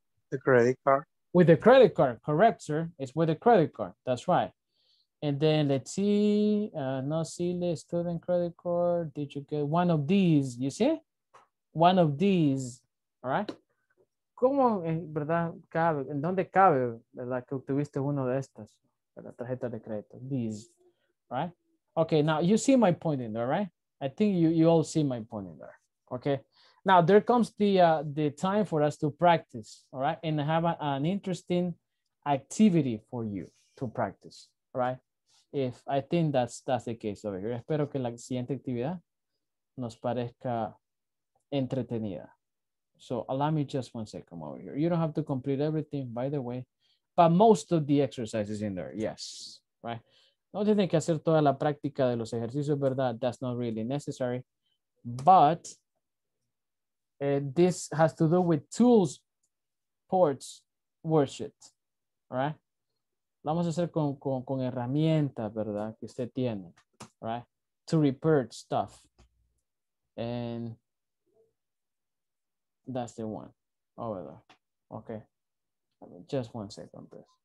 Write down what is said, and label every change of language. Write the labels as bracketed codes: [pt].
[en] The credit card. With the credit card, correct, sir. It's with the credit card, that's right. And then let's see, no sile, student credit card. Did you get one of these, you see? One of these, all right? [es] ¿Cómo, verdad, cabe? ¿En dónde cabe, verdad, que obtuviste uno de estas? La tarjeta de crédito, [en] these, right? Okay, now you see my point in there, right? I think you all see my point in there, okay? Now there comes the time for us to practice, all right? And I have an interesting activity for you to practice, right? If I think that's the case over here. [es] Espero que la siguiente actividad nos parezca entretenida. [en] So allow me just one second over here. You don't have to complete everything, by the way, but most of the exercises in there, yes, right? [es] No tiene que hacer toda la práctica de los ejercicios, ¿verdad? [en] That's not really necessary. But this has to do with tools, ports, worksheet, right? [es] Lo vamos a hacer con herramientas, ¿verdad? Que usted tiene, right? [en] To repair stuff. And that's the one over there. Okay. Just one second, please.